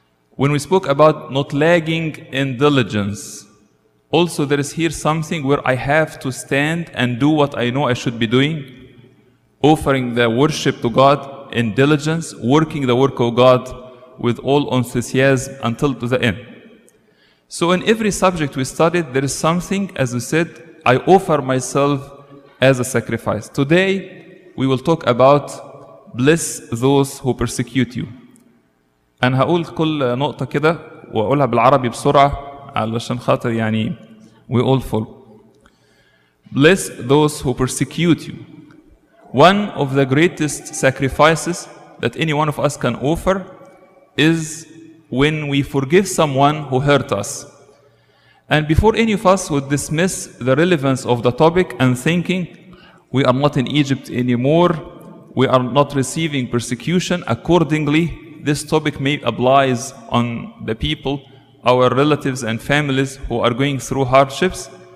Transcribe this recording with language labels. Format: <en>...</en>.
<en>When we spoke about not lagging in diligence, also there is here something where I have to stand and do what I know I should be doing, offering the worship to God in diligence, working the work of God with all enthusiasm until to the end. So in every subject we studied, there is something, as we said, I offer myself as a sacrifice. Today, we will talk about bless those who persecute you.</en> <ar>أنا هقول كل نقطة كده وأقولها بالعربي بسرعة علشان خاطر يعني</ar> <en>we all follow. Bless those who persecute you. One of the greatest sacrifices that any one of us can offer is when we forgive someone who hurt us. And before any of us would dismiss the relevance of the topic and thinking we are not in Egypt anymore, we are not receiving persecution accordingly, this topic may apply on the people, our relatives and families who are going through hardships.</en>